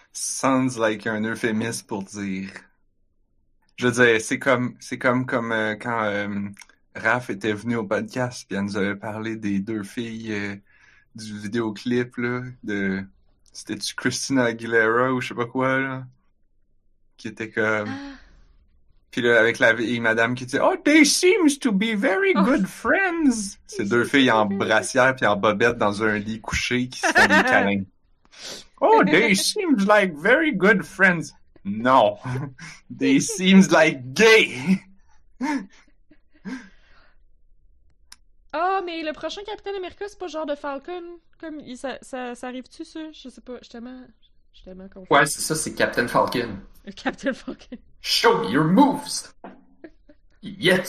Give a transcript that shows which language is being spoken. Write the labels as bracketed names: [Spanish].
[English] Sounds like [French] un euphémisme pour dire. Je veux dire, c'est comme quand Raph était venu au podcast puis elle nous avait parlé des deux filles du vidéoclip, là, de... C'était-tu Christina Aguilera ou je sais pas quoi, là? Qui était comme... Puis là, avec la vieille madame qui dit « [English] Oh, they seem to be very good friends! [French] » C'est deux filles en brassière puis en bobette dans un lit couché qui se font des câlins. « [English] Oh, they seem like very good friends! [French] » Non! [English] « They seem like gay! [French] » Oh, mais le prochain Capitaine America, c'est pas genre de Falcon? Comme il, ça arrive-tu, ça? Je sais pas, je suis tellement confus. Ouais, c'est ça, c'est Captain Falcon. Captain Falcon. [English] Show me your moves! Yes!